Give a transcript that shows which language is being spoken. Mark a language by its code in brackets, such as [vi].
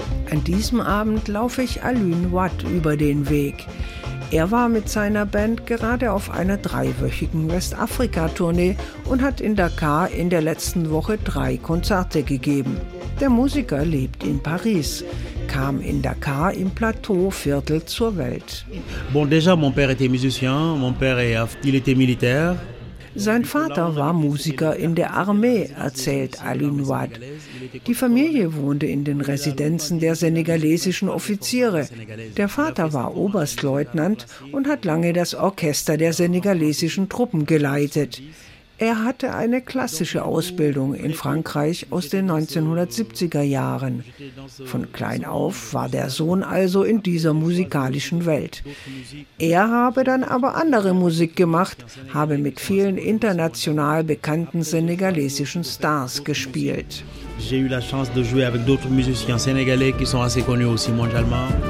[de] An diesem Abend laufe ich Alun Watt über den Weg. Er war mit seiner Band gerade auf einer 3-wöchigen Westafrika-Tournee und hat in Dakar in der letzten Woche 3 Konzerte gegeben. Der Musiker lebt in Paris, kam in Dakar im Plateauviertel zur Welt. [fr] Bon, déjà, mon père était musicien, mon père est, il était militaire. [de] Sein Vater war Musiker in der Armee, erzählt Alun Watt. Die Familie wohnte in den Residenzen der senegalesischen Offiziere. Der Vater war Oberstleutnant und hat lange das Orchester der senegalesischen Truppen geleitet. Er hatte eine klassische Ausbildung in Frankreich aus den 1970er Jahren. Von klein auf war der Sohn also in dieser musikalischen Welt. Er habe dann aber andere Musik gemacht, habe mit vielen international bekannten senegalesischen Stars gespielt. [fr] J'ai eu la chance de jouer avec d'autres musiciens sénégalais qui sont assez connus aussi mondialement.